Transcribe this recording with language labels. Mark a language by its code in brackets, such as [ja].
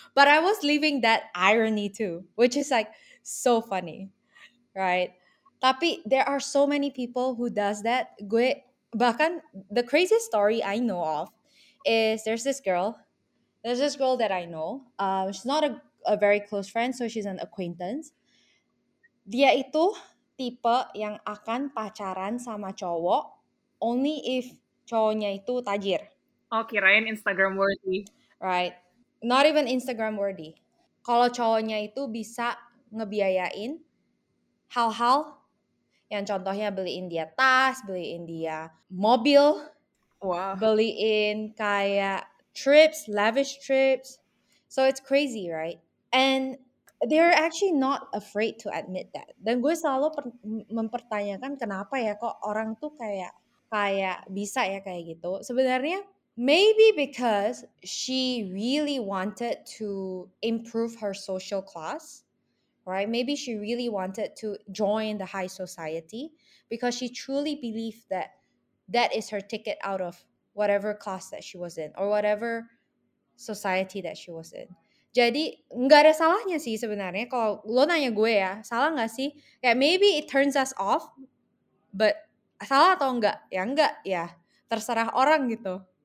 [en] But I was living that irony too, which is like so funny. Right, tapi there are so many people who does that. [id] Gue bahkan [en] the craziest story I know of is there's this girl that I know. She's not a very close friend, so she's an acquaintance. [id] Dia itu tipe yang akan pacaran sama cowok [en] only if [id] cowoknya itu tajir. Oh, kirain Instagram worthy. [en] Right, not even Instagram worthy. [id] Kalau cowoknya itu bisa ngebiayain hal-hal yang contohnya beliin dia tas, beliin dia mobil, wow, beliin kayak trips, lavish trips. [en] So it's crazy, right? And they're actually not afraid to admit that. [id] Dan gue selalu mempertanyakan kenapa ya kok orang tuh kayak bisa ya kayak gitu. [en] Sebenarnya maybe because she really wanted to improve her social class. Right, maybe she really wanted to join the high society because she truly believed that that is her ticket out of whatever class that she was in or whatever society that she was in. [id] Jadi nggak ada salahnya sih sebenarnya. Kalau lo nanya gue ya, salah nggak sih? [en] Kayak maybe it turns us off, but [id] salah atau enggak? Ya enggak, ya terserah orang gitu.